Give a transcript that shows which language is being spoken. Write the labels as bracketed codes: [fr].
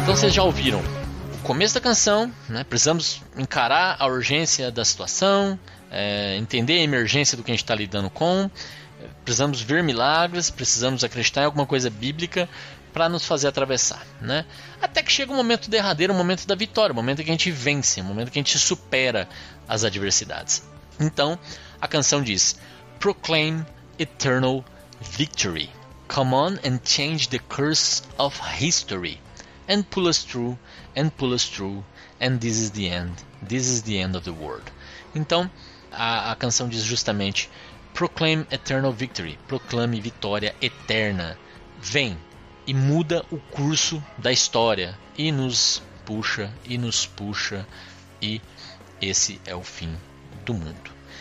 [pt] Já ouviram o começo da canção, né? Precisamos encarar a urgência da situação, entender a emergência do que a gente está lidando com, precisamos ver milagres, precisamos acreditar em alguma coisa bíblica para nos fazer atravessar, né? Até que chega o momento derradeiro, o momento da vitória, o momento que a gente vence, o momento que a gente supera as adversidades. Então, a canção diz: [en] "Proclaim eternal victory. Come on and change the curse of history. And pull us through, and pull us through, and this is the end. This is the end of the world." [pt] Então, a canção diz justamente: [en] "Proclaim eternal victory." [pt] Proclame vitória eterna. Vem, e muda o curso da história. E nos puxa, e nos puxa, e esse é o fim do mundo.